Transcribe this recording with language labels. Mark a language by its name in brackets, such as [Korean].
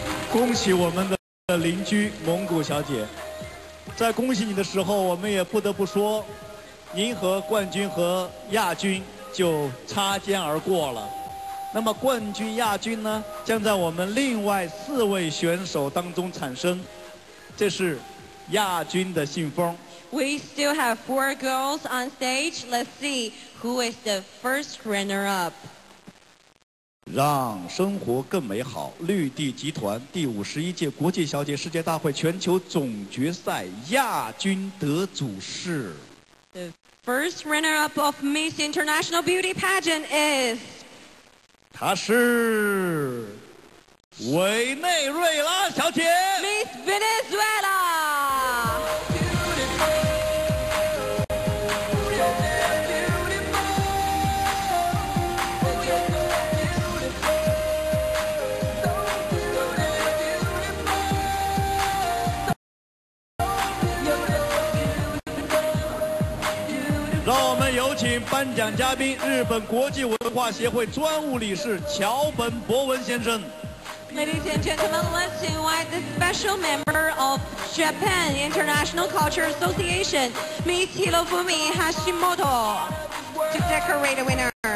[Chinese] 恭喜我们的邻居蒙古小姐，在恭喜你的时候，我们也不得不说，您和冠军和亚军就擦肩而过了。那么冠军亚军呢，将在我们另外四位选手当中产生，这是亚军的信封。 [English] We still have four girls on stage. Let's see who is the first runner up. [Chinese] 让生活更美好，绿地集团第51届国际小姐世界大会全球总决赛亚军得主是 [English] The first runner-up of Miss International Beauty Pageant is [Chinese] 她是委内瑞拉小姐 [English] Miss Venezuela。 [Chinese] 请颁奖嘉宾日本国际文化协会专务理事桥本博文先生。 [English] Ladies and gentlemen, let's invite the special member of Japan International Culture Association, Miss Hirofumi Hashimoto, to decorate the winner.